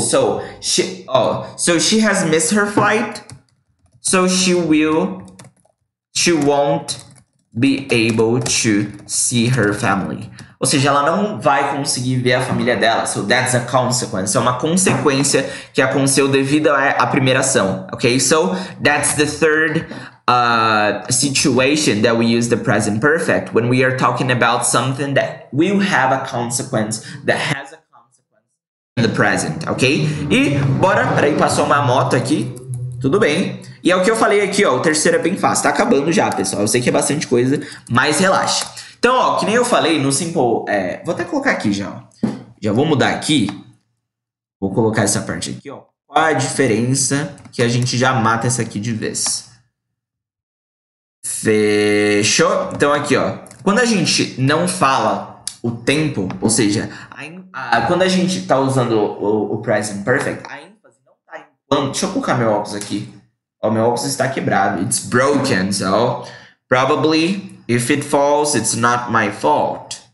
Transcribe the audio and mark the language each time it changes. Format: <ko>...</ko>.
<en>So she has missed her flight. So she won't be able to see her family.</en> <pt>Ou seja, ela não vai conseguir ver a família dela.</pt> <en>So that's a consequence.</en> <pt>É uma consequência que aconteceu devido à primeira ação. Okay?</pt> <en>So that's the third situation that we use the present perfect when we are talking about something that will have a consequence, that has a consequence in the present, ok?</en> <pt>E bora, peraí, passou uma moto aqui, tudo bem. E é o que eu falei aqui, ó, o terceiro é bem fácil, tá acabando já, pessoal. Eu sei que é bastante coisa, mas relaxa. Então, ó, que nem eu falei no simple, vou até colocar aqui já, ó. Já vou mudar aqui, vou colocar essa parte aqui, ó. Qual a diferença que a gente já mata essa aqui de vez? Fechou? Então aqui, ó. Quando a gente não fala o tempo, ou seja, quando a gente tá usando o present perfect, a ênfase não tá em quanto. Deixa eu colocar meu óculos aqui. Ó, meu óculos está quebrado.</pt> <en>It's broken, so probably if it falls, it's not my fault.</en>